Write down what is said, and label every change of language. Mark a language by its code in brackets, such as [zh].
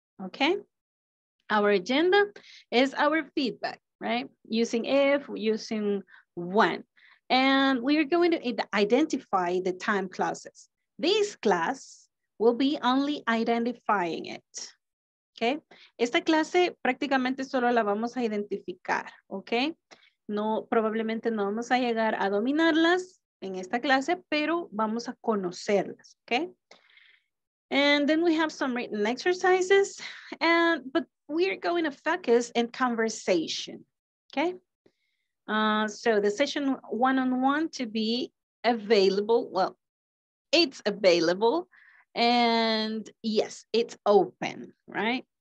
[en] Okay, our agenda is our feedback, right? Using if, using when. And we are going to identify the time clauses. This class will be only identifying it, okay? [es] Esta clase prácticamente solo la vamos a identificar, okay? No, probablemente no vamos a llegar a dominarlas en esta clase, pero vamos a conocerlas, okay? [en] And then we have some written exercises, but we're going to focus in conversation, okay? So the session one-on-one to be available. Well, it's available, and yes, it's open, right?